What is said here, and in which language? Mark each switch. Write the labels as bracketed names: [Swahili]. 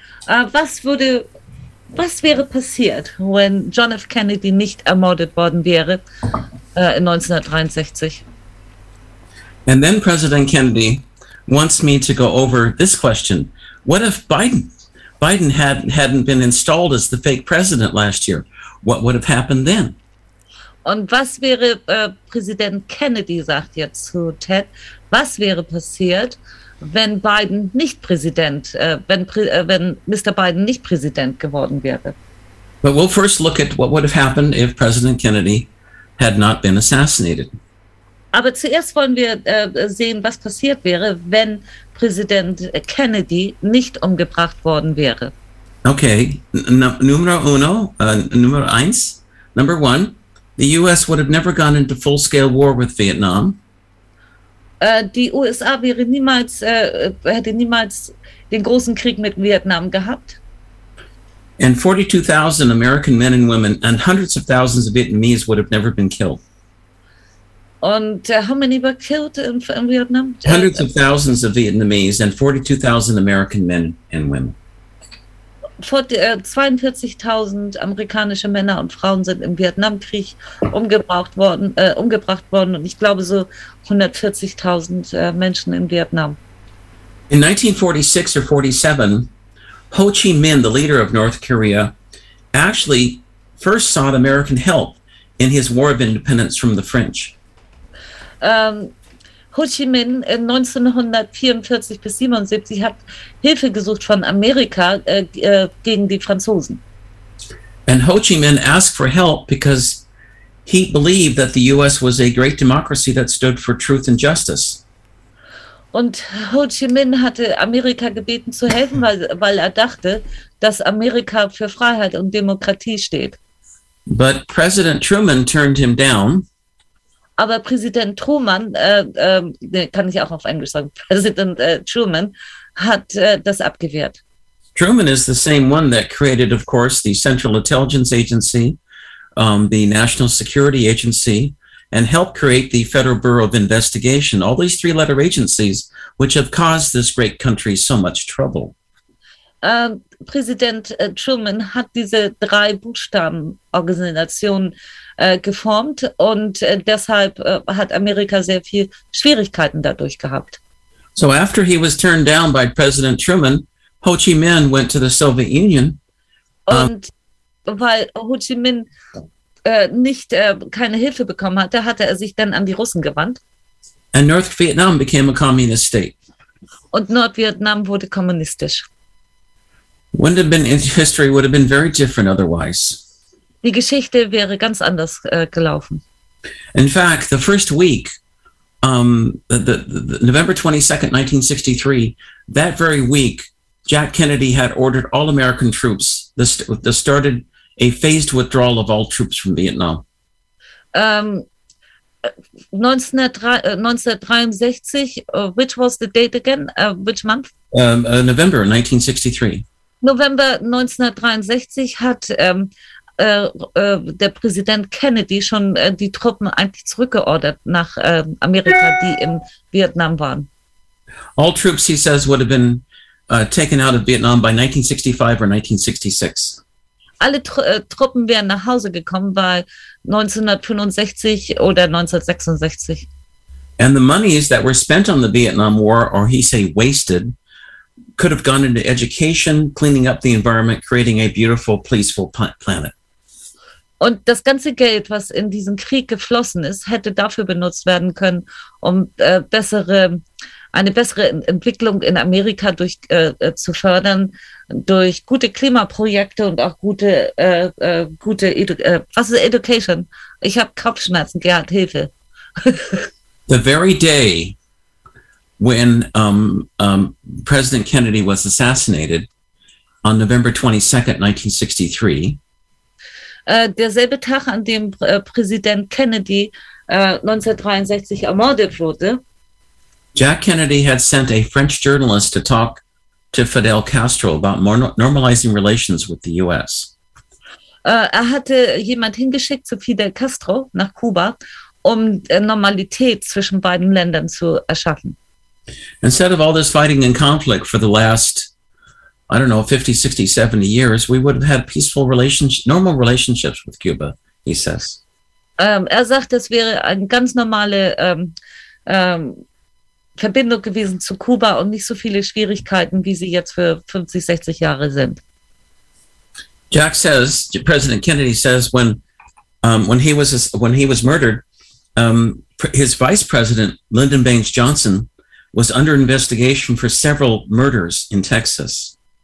[German] Was wäre passiert, wenn John F. Kennedy nicht ermordet worden wäre in 1963? [English] And then President Kennedy wants me to go over this question. What if Biden hadn't been installed as the fake president last year? What would have happened then? [German] Und was wäre, Präsident Kennedy sagt jetzt zu Ted, was wäre passiert, wenn Biden nicht Präsident, wenn Mr. Biden nicht Präsident geworden wäre? [English] But we'll first look at what would have happened if President Kennedy had not been assassinated. [German] Aber zuerst wollen wir sehen, was passiert wäre, wenn Präsident Kennedy nicht umgebracht worden wäre. [English] Okay, Number one. The U.S. would have never gone into full-scale war with Vietnam. [German] Die USA wäre niemals, hätte niemals den großen Krieg mit Vietnam gehabt. [English] And 42,000 American men and women and hundreds of thousands of Vietnamese would have never been killed. Und how many were killed in Vietnam? Hundreds of thousands of Vietnamese and 42,000 American men and women. [German] 42,000 amerikanische Männer und Frauen sind im Vietnamkrieg umgebracht worden und ich glaube so 140,000 Menschen in Vietnam. [English] In 1946 or 47, Ho Chi Minh, the leader of North Korea, actually first sought American help in his war of independence from the French. [German] Ho Chi Minh 1944 bis 77 hat Hilfe gesucht von Amerika gegen die Franzosen. [English] And Ho Chi Minh asked for help because he believed that the U.S. was a great democracy that stood for truth and justice. [German] Und Ho Chi Minh hatte Amerika gebeten zu helfen, weil er dachte, dass Amerika für Freiheit und Demokratie steht. [English] But President Truman turned him down. [German] Aber Präsident Truman, kann ich auch auf Englisch sagen, Präsident Truman hat das abgewehrt. [English] Truman is the same one that created, of course, the Central Intelligence Agency, the National Security Agency, and helped create the Federal Bureau of Investigation. All these three-letter agencies, which have caused this great country so much trouble. [German] Präsident Truman hat diese drei Buchstabenorganisationen geformt und deshalb hat Amerika sehr viel Schwierigkeiten dadurch gehabt. [English] So after he was turned down by President Truman, Ho Chi Minh went to the Soviet Union. [German] Und weil Ho Chi Minh keine Hilfe bekommen hatte, hatte er sich dann an die Russen gewandt. [English] And North Vietnam became a communist state. [German] Und Nordvietnam wurde kommunistisch. [English] Wouldn't have been, history would have been very different otherwise. [German] Die Geschichte wäre ganz anders gelaufen. [English] In fact, the first week, the November 22nd, 1963, that very week, Jack Kennedy had ordered all American troops, this started a phased withdrawal of all troops from Vietnam. 1963, which was the date again? Which month? November 1963. [German] November 1963 hat der Präsident Kennedy schon die Truppen eigentlich zurückgeordert nach Amerika, die in Vietnam waren. [English] All troops, he says, would have been taken out of Vietnam by 1965 or 1966. [German] Alle Truppen wären nach Hause gekommen bei 1965 oder 1966. [English] And the monies that were spent on the Vietnam War, or he say wasted, could have gone into education, cleaning up the environment, creating a beautiful, peaceful planet. [German] Und das ganze Geld, was in diesen Krieg geflossen ist, hätte dafür benutzt werden können, um eine bessere Entwicklung in Amerika zu fördern, durch gute Klimaprojekte und auch Education. Ich habe Kopfschmerzen, Gerhard, Hilfe. [English] The very day when President Kennedy was assassinated on November 22nd, 1963. [German] Derselbe Tag, an dem Präsident Kennedy 1963 ermordet wurde. [English] Jack Kennedy had sent a French journalist to talk to Fidel Castro about normalizing relations with the U.S. [German] Er hatte jemand hingeschickt zu Fidel Castro nach Kuba, um Normalität zwischen beiden Ländern zu erschaffen. [English] Instead of all this fighting and conflict for the last, I don't know, 50, 60, 70 years, we would have had peaceful relations, normal relationships with Cuba, he says. [German] Er sagt, das wäre ein ganz normale Verbindung gewesen zu Kuba und nicht so viele Schwierigkeiten, wie sie jetzt für 50, 60 Jahre sind. [English] Jack says, President Kennedy says, when he was murdered, his vice president, Lyndon Baines Johnson, was under investigation for several murders in Texas.